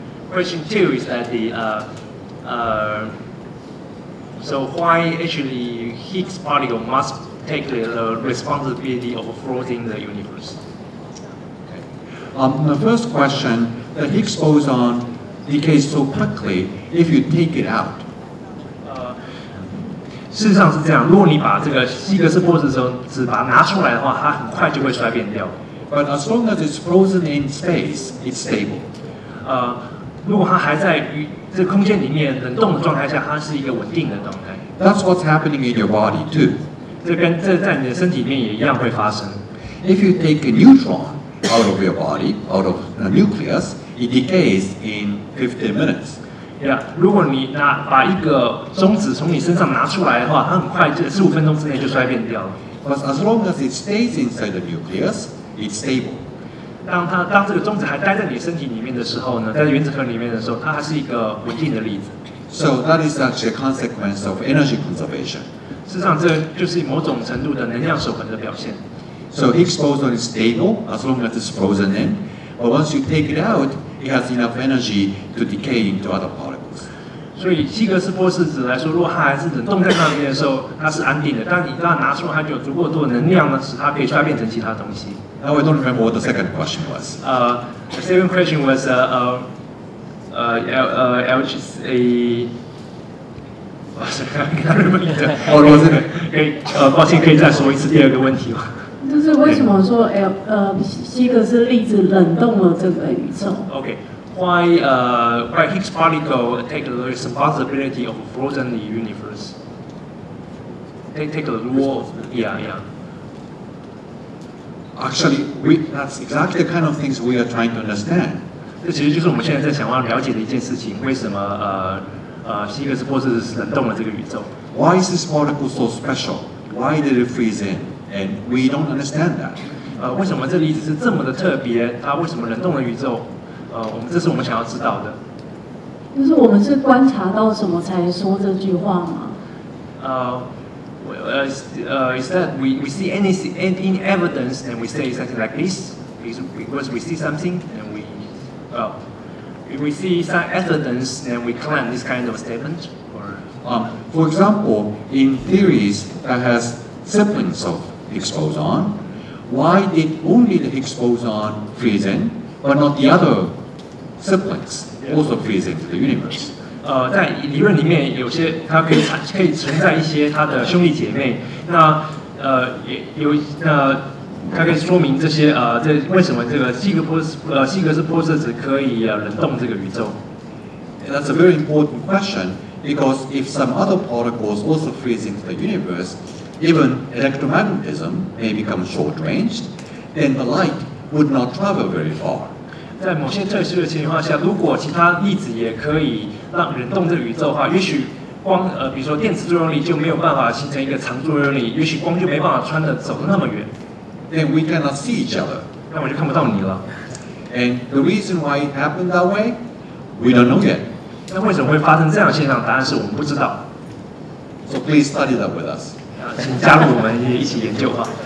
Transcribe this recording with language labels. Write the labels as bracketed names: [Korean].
[English] Question two is that the so why actually Higgs particle must take the responsibility of frozen the universe? The first question, the Higgs boson decays so quickly if you take it out. [Chinese] 事实上是这样，如果你把这个希格斯玻色中只把它拿出来的话，它很快就会衰变掉。 [English] But as long as it's frozen in space, it's stable. [Chinese] 如果它还在于这空间里面冷冻的状态下，它是一个稳定的状态。 [English] That's what's happening in your body too. [Chinese] 这在你的身体里面也一样会发生。 [English] If you take a neutron out of your body, out of the nucleus, it decays in 15 minutes. Yeah, [Chinese] 如果你拿把一个中子从你身上拿出来的话，它很快就15分钟之内就衰变掉了。 [English] But as long as it stays inside the nucleus, it's stable. [Chinese] 当这个中子还待在你身体里面的时候呢，在原子核里面的时候，它还是一个稳定的粒子。 [English] So that is actually a consequence of energy conservation. [Chinese] 事实上，这就是某种程度的能量守恒的表现。 [English] So Higgs boson is stable as long as it's frozen in, but once you take it out, it has enough energy to decay into other particles. [Chinese] 所以希格斯玻色子来说，如果它还是冷冻在那边的时候，它是安定的。但你把它拿出来，它就有足够多的能量呢，使它可以衰变成其他东西。 [English] Now I don't remember what the second question was. The second question was LGC. Was it? [Chinese] 抱歉，可以再说一次第二个问题吗？就是为什么说希格斯粒子冷冻了这个宇宙 [English] ？Okay, why Higgs particle take the responsibility of frozen the universe? They take the role. Yeah. Actually, that's exactly the kind of things we are trying to understand. [Chinese] 这其实就是我们现在在想要了解的一件事情：为什么希格斯玻色子冷冻了这个宇宙 [English] ？Why is this particle so special? Why did it freeze in? And we don't understand that. [Chinese] 为什么这粒子是这么的特别？它为什么冷冻了宇宙？这是我们想要知道的。就是我们是观察到什么才说这句话吗？ [English] Is that we see any evidence and we say something like this? Because we see something and we see some evidence and we claim this kind of statement? For example, in theories that has siblings of Higgs boson, why did only the Higgs boson freeze in, but not the other siblings also freeze into the universe? [Chinese] 在理论里面有些它可以存在一些它的兄弟姐妹。那它可以说明这些这为什么这个希格斯玻色子可以冷冻这个宇宙 [English] ？That's a very important question because if some other particles also freeze into the universe. Even electromagnetism may become short-range, then the light would not travel very far. [Chinese] 在某些特殊的情况下，如果其他粒子也可以让冷冻这个宇宙的话，也许光比如说电磁作用力就没有办法形成一个长作用力，也许光就没办法穿的走那么远。 [English] Then we cannot see each other. [Chinese] 那我就看不到你了。 [English] And the reason why it happened that way, we don't know yet. [Chinese] 那为什么会发生这样的现象？答案是我们不知道。 [English] So please study that with us. [Chinese] 请加入我们一起研究哈。